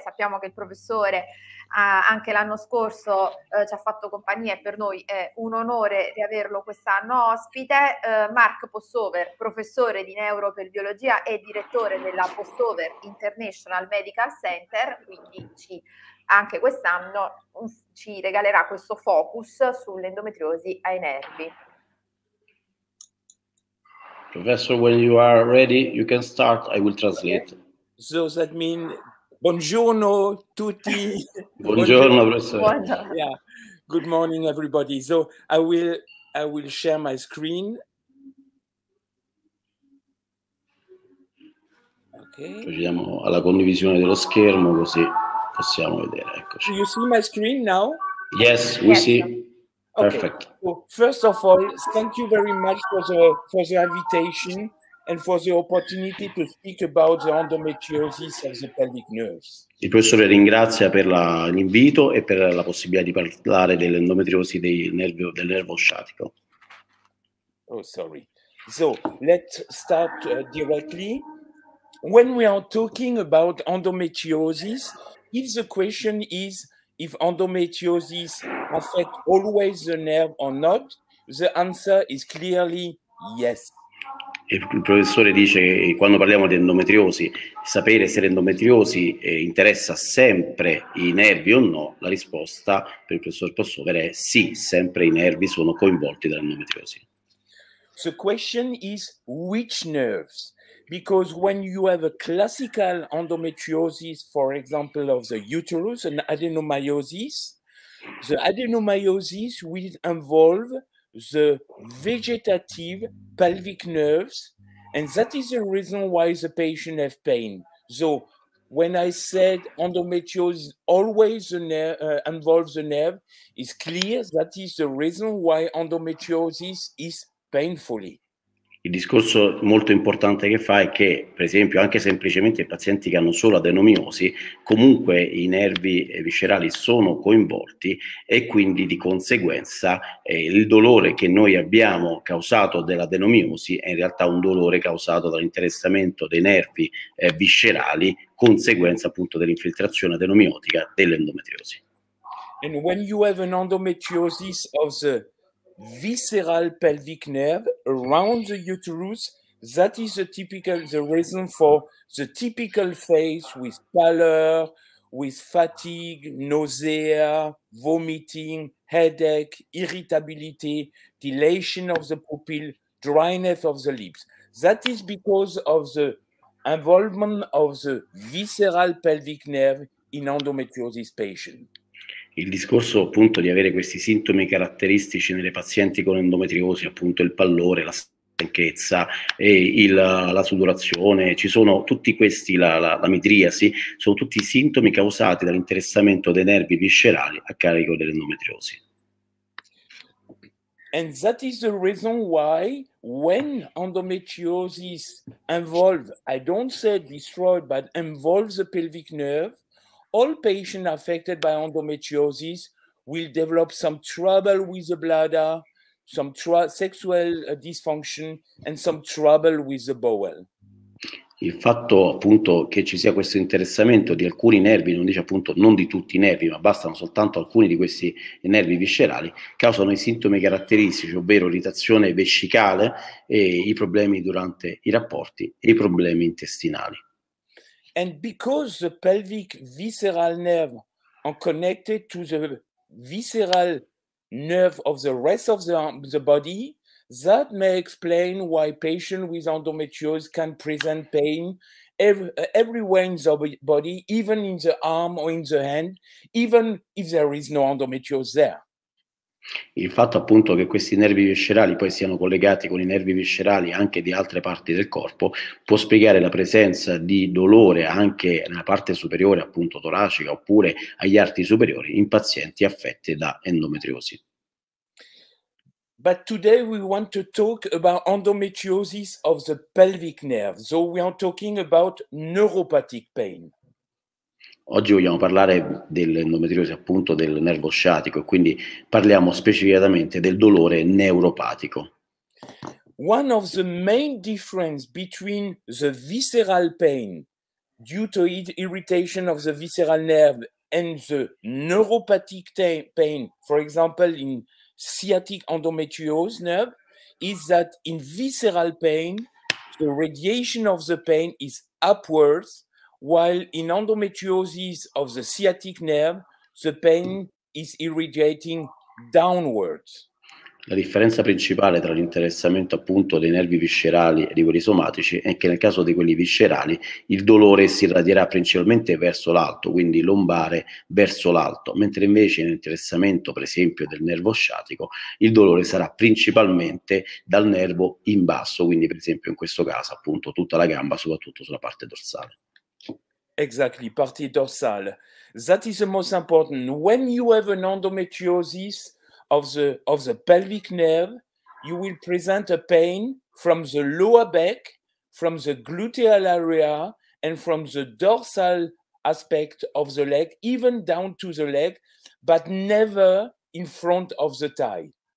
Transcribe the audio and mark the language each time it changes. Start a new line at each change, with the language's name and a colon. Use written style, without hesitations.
Italian: Sappiamo che il professore anche l'anno scorso ci ha fatto compagnia e per noi è un onore riaverlo quest'anno ospite. Mark Possover, professore di neuropelviologia e direttore della Possover International Medical Center, quindi anche quest'anno ci regalerà questo focus sull'endometriosi ai nervi.
English: Professor, when you are ready, you can start. I will translate. So that means
Italian: buongiorno tutti. Buongiorno, professor.
English: Yeah. Good morning, everybody. So I will share my screen. Okay.
Italian: Procediamo alla condivisione dello schermo, così possiamo vedere.
English: Do
Italian: Eccoci.
English: you see my screen now? Yes, we Yes. see. Okay. Perfect. Well, first of all, thank you very much for the invitation and for the opportunity to speak about the endometriosis of the pelvic nerves.
Italian: Il professore ringrazia per l'invito e per la possibilità di parlare dell'endometriosi del nervo sciatico.
English: Oh, sorry. So let's start directly. When we are talking about endometriosis, if the question is if endometriosis affect always the nerve or not, the answer is clearly yes.
Italian: Il professore dice che quando parliamo di endometriosi, sapere se l'endometriosi interessa sempre i nervi o no, la risposta per il professor Possover è sì, sempre i nervi sono coinvolti dall'endometriosi.
English: The question is which nerves? Because when you have a classical endometriosis, for example, of the uterus, an adenomyosis, the adenomyosis will involve the vegetative pelvic nerves, and that is the reason why the patient has pain. So when I said endometriosis always involves the nerve, it's clear that is the reason why endometriosis is painfully.
Italian: Il discorso molto importante che fa è che, per esempio, anche semplicemente i pazienti che hanno solo adenomiosi, comunque i nervi viscerali sono coinvolti e quindi di conseguenza il dolore che noi abbiamo causato dell'adenomiosi è in realtà un dolore causato dall'interessamento dei nervi viscerali, conseguenza appunto dell'infiltrazione adenomiotica dell'endometriosi.
English: And when you have an endometriosis of the visceral pelvic nerve around the uterus, that is the reason for the typical phase with pallor, with fatigue, nausea, vomiting, headache, irritability, dilation of the pupil, dryness of the lips. That is because of the involvement of the visceral pelvic nerve in endometriosis patient.
Italian: Il discorso appunto di avere questi sintomi caratteristici nelle pazienti con endometriosi, appunto il pallore, la stanchezza, la sudorazione, ci sono tutti questi, la midriasi, sono tutti sintomi causati dall'interessamento dei nervi viscerali a carico dell'endometriosi.
English: And that is the reason why, when endometriosis involves, I don't say destroyed, but involves the pelvic nerve, all patients affected by endometriosis will develop some trouble with the bladder, some sexual dysfunction, and some trouble with the bowel.
Italian: Il fatto appunto che ci sia questo interessamento di alcuni nervi, non dice appunto non di tutti i nervi, ma bastano soltanto alcuni di questi nervi viscerali, causano i sintomi caratteristici, ovvero irritazione vescicale e i problemi durante i rapporti e i problemi intestinali.
English: And because the pelvic visceral nerve are connected to the visceral nerve of the rest of the body, that may explain why patients with endometriosis can present pain everywhere in the body, even in the arm or in the hand, even if there is no endometriosis there.
Italian: Il fatto appunto che questi nervi viscerali poi siano collegati con i nervi viscerali anche di altre parti del corpo può spiegare la presenza di dolore anche nella parte superiore, appunto toracica, oppure agli arti superiori in pazienti affetti da endometriosi.
English: But today we want to talk about endometriosis of the pelvic nerve. So we are talking about neuropathic pain.
Italian: Oggi vogliamo parlare dell'endometriosi, appunto del nervo sciatico, e quindi parliamo specificatamente del dolore neuropatico.
English: One of the main difference between the visceral pain due to irritation of the visceral nerve and the neuropathic pain, for example in sciatic endometriose nerve, is that in visceral pain the radiation of the pain is upwards, while in endometriosis of the sciatic nerve the pain is irradiating downwards.
Italian: La differenza principale tra l'interessamento appunto dei nervi viscerali e di quelli somatici è che nel caso di quelli viscerali il dolore si irradierà principalmente verso l'alto, quindi lombare verso l'alto, mentre invece nell'interessamento, per esempio, del nervo sciatico, il dolore sarà principalmente dal nervo in basso, quindi per esempio in questo caso appunto tutta la gamba, soprattutto sulla parte dorsale.
English: Exactly,
Italian: parte dorsale.
English: That is the most important. When you have an endometriosis of the pelvic nerve, you will present a pain from the lower back, from the gluteal area, and from the dorsal aspect of the leg, even down to the leg, but never in front of the thigh.